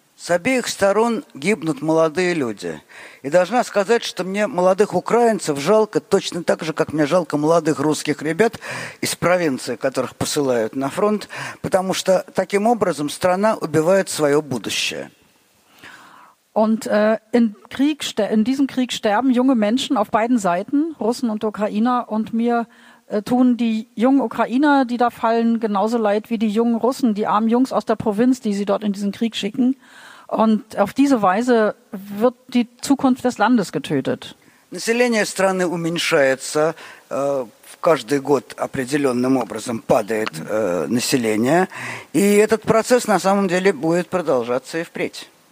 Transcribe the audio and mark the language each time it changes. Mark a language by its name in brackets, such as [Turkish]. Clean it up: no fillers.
[Russian] С обеих сторон гибнут молодые люди. И должна сказать, что мне молодых украинцев жалко точно так же, как мне жалко молодых русских ребят из провинции, которых посылают на фронт, потому что таким образом страна убивает свое будущее. [German] Und in diesem Krieg sterben junge Menschen auf beiden Seiten, Russen und Ukrainer. Und mir tun die jungen Ukrainer, die da fallen, genauso leid wie die jungen Russen, die armen Jungs aus der Provinz, die sie dort in diesen Krieg schicken. Und auf diese Weise wird die Zukunft des Landes getötet. [Russian] Население страны уменьшается. Каждый год определенным образом падает население. И этот процесс на самом деле будет продолжаться и впредь.